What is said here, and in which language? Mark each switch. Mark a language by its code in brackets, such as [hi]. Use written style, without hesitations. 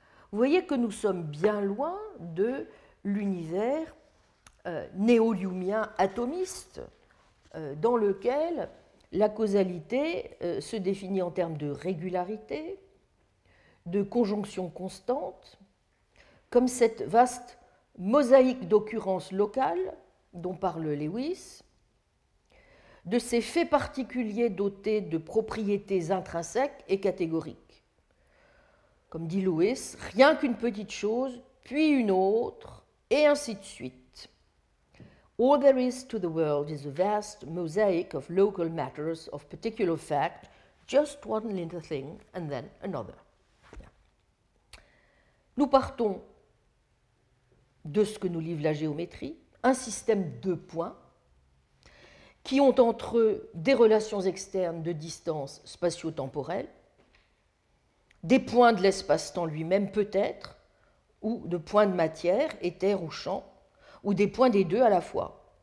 [fr] Vous voyez que nous sommes bien loin de l'univers néo-lumien atomiste dans lequel la causalité se définit en termes de régularité, de conjonction constante, comme cette vaste mosaïque d'occurrences locales dont parle Lewis, de ces faits particuliers dotés de propriétés intrinsèques et catégoriques. Comme dit Lewis, rien qu'une petite chose, puis une autre, et ainsi de suite. [en] All there is to the world is a vast mosaic of local matters of particular fact, just one little thing and then another. [fr] Nous partons de ce que nous livre la géométrie, un système de points qui ont entre eux des relations externes de distance spatio-temporelle, des points de l'espace-temps lui-même peut-être, ou de points de matière, éther ou champ, ou des points des deux à la fois.